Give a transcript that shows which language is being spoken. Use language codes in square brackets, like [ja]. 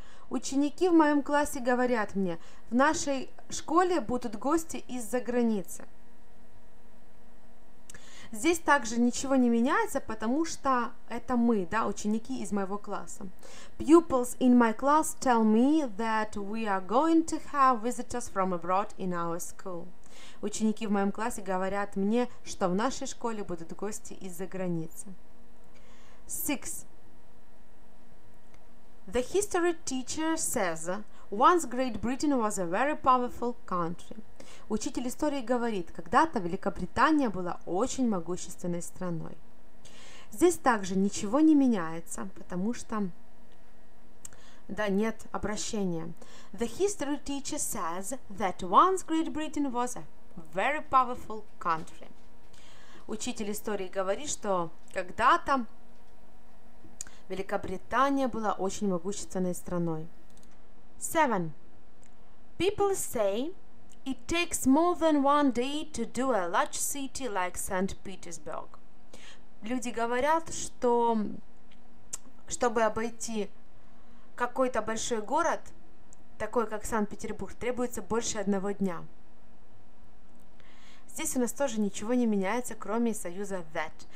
[ru] Ученики в моем классе говорят мне, в нашей школе будут гости из-за границы. Здесь также ничего не меняется, потому что это мы, да, ученики из моего класса. [en] Pupils in my class tell me that we are going to have visitors from abroad in our school. [ru] Ученики в моем классе говорят мне, что в нашей школе будут гости из-за границы. 6. [en] The history teacher says, once Great Britain was a very powerful country. [ru] Учитель истории говорит, когда-то Великобритания была очень могущественной страной. Здесь также ничего не меняется, потому что да, нет обращения. [en] The history teacher says that once Great Britain was a very powerful country. [ru] Учитель истории говорит, что когда-то Великобритания была очень могущественной страной. 7. [en] People say it takes more than one day to do a large city like St. Petersburg. [ru] Люди говорят, что чтобы обойти какой-то большой город, такой как Санкт-Петербург, требуется больше одного дня. Здесь у нас тоже ничего не меняется, кроме союза that.